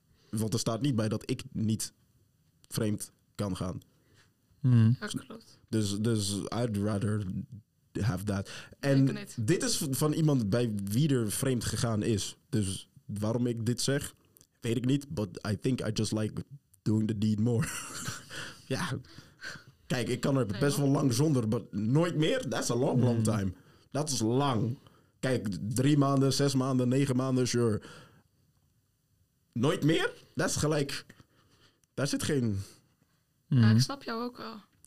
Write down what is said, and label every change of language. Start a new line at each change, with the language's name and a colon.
Dutch: Want er staat niet bij dat ik niet vreemd kan gaan. Ja, klopt.
English: Dus I'd rather have that.
Dutch: En dit is van iemand bij wie er vreemd gegaan is. Dus waarom ik dit zeg, weet ik niet.
English: But I think I just like doing the deed more.
Dutch: Ja... Kijk, ik kan er best wel lang zonder, maar nooit meer.
English: That's a long, long time.
Dutch: Dat is lang. Kijk, 3 maanden, 6 maanden, 9 maanden, sure. Nooit meer? Dat is gelijk. Daar zit geen... Ja, ik snap jou ook wel.